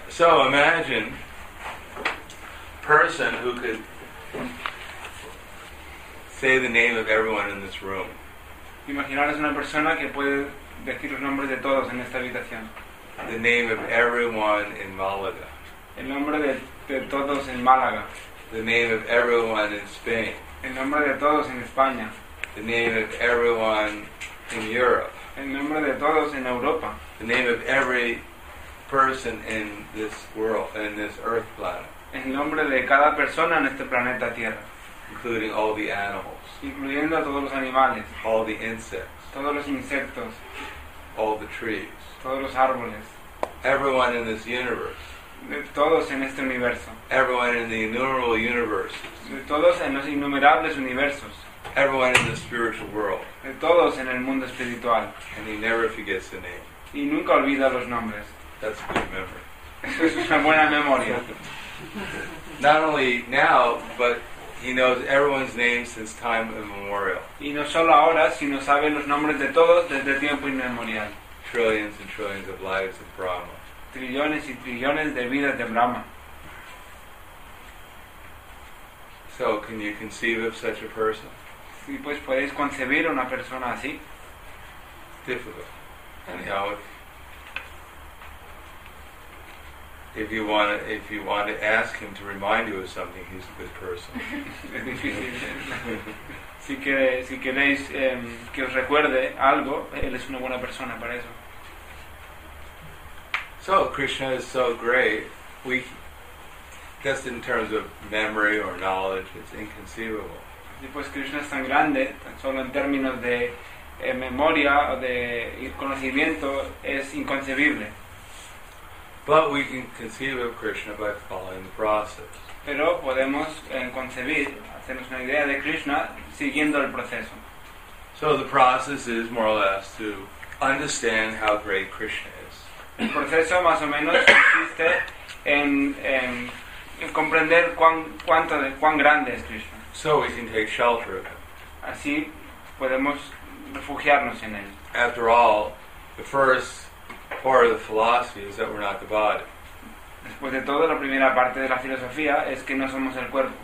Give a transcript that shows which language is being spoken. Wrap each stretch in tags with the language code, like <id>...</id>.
<en>So imagine a person who could say the name of everyone in this room.</en> <es>Imaginaros una persona que puede decir los nombres de todos en esta habitación.</es> <en>The name of everyone in Malaga.</en> <es>El nombre de todos en Málaga.</es> <en>The name of everyone in Spain.</en> <es>El nombre de todos en España.</es> <en>The name of everyone in Europe.</en> <es>El nombre de todos en Europa.</es> <en>The name of every person in this world, in this earth planet.</en> <es>El nombre de cada persona en este planeta Tierra.</es> <en>Including all the animals.</en> <es>Incluyendo a todos los animales.</es> <en>All the insects.</en> <es>Todos los insectos.</es> <en>All the trees.</en> <es>Todos los árboles.</es> <en>Everyone in this universe.</en> <es>De todos en este universo.</es> <en>Everyone in the innumerable universes.</en> <es>De todos en los innumerables universos.</es> <en>Everyone in the spiritual world.</en> <es>De todos en el mundo espiritual.</es> <en>And he never forgets the name.</en> <es>Y nunca olvida los nombres.</es> <en>That's a good memory.</en> <es>Es una buena memoria.</es> <en>Not only now, but he knows everyone's name since time immemorial.</en> <es>Y no solo ahora, sino sabe los nombres de todos desde tiempo inmemorial.</es> <en>Trillions and trillions of lives of Brahma.</en> <es>Trillones y trillones de vidas de Brahma.</es> <en>So, can you conceive of such a person?</en> <es>Sí, pues podéis concebir una persona así.</es> <en>Difficult. Anyhow, if you want to ask him to remind you of something, he's a good person.</en> <es>Si queréis que os recuerde algo, él es una buena persona para eso.</es> <en>So Krishna is so great. We just in terms of memory or knowledge, it's inconceivable.</en> <es>Y pues Krishna es tan grande, tan solo en términos de memoria o de conocimiento, es inconcebible.</es> <en>But we can conceive of Krishna by following the process.</en> <es>Pero podemos concebir, hacernos una idea de Krishna siguiendo el proceso.</es> <en>So the process is more or less to understand how great Krishna is.</en> <es>El proceso más o menos consiste en comprender cuán grande es Krishna.</es> <en>So we can take shelter of him.</en> <es>Así podemos refugiarnos en él.</es> <en>After all, the first part of the philosophy is that we're not the body.</en> <es>Después de todo, la primera parte de la filosofía es que no somos el cuerpo.</es>